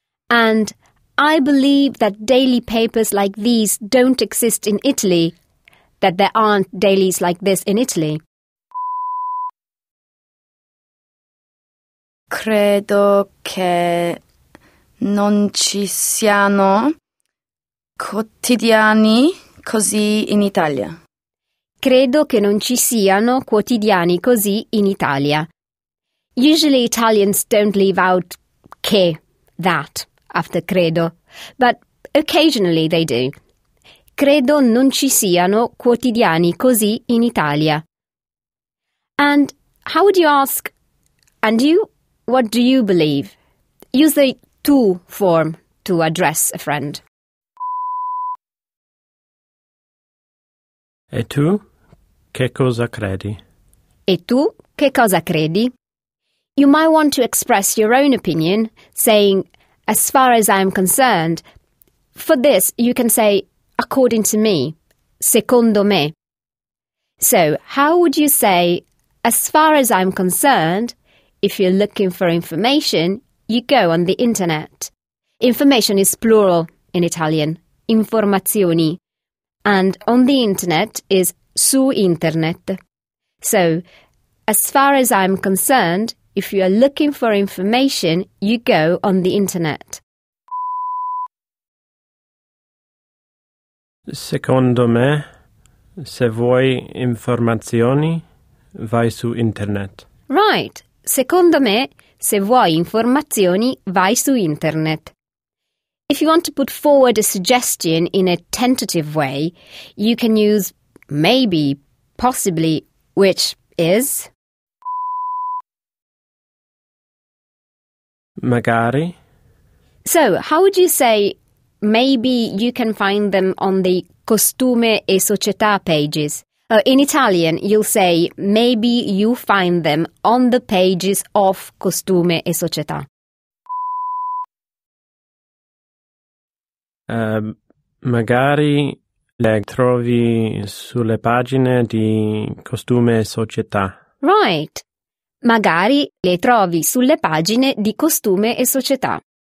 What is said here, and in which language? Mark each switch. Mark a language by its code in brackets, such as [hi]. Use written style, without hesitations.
[en] And I believe that daily papers like these don't exist in Italy, that there aren't dailies like this in Italy. [it] Credo che non ci siano quotidiani così in Italia. Credo che non ci siano quotidiani così in Italia. [en] Usually Italians don't leave out che, that, after credo, but occasionally they do. [it] Credo non ci siano quotidiani così in Italia. [en] And how would you ask, and you, what do you believe? Use the tu form to address a friend. [it] E tu, che cosa credi? E tu, che cosa credi? [en] You might want to express your own opinion, saying, as far as I am concerned. For this, you can say, according to me, [it] secondo me. [en] So, how would you say, as far as I'm concerned, if you're looking for information, you go on the internet. Information is plural in Italian, informazioni. And on the internet is su internet. So, as far as I'm concerned, if you are looking for information, you go on the internet. [it] Secondo me, se vuoi informazioni, vai su internet. [en] Right. [it] Secondo me, se vuoi informazioni, vai su internet. [en] If you want to put forward a suggestion in a tentative way, you can use maybe, possibly, which is... [it] Magari. [en] So, how would you say, maybe you can find them on the costume e società pages? In Italian, you'll say, maybe you find them on the pages of costume e società. [it] Magari le trovi sulle pagine di costume e società. [en] Right. [it] Magari le trovi sulle pagine di costume e società.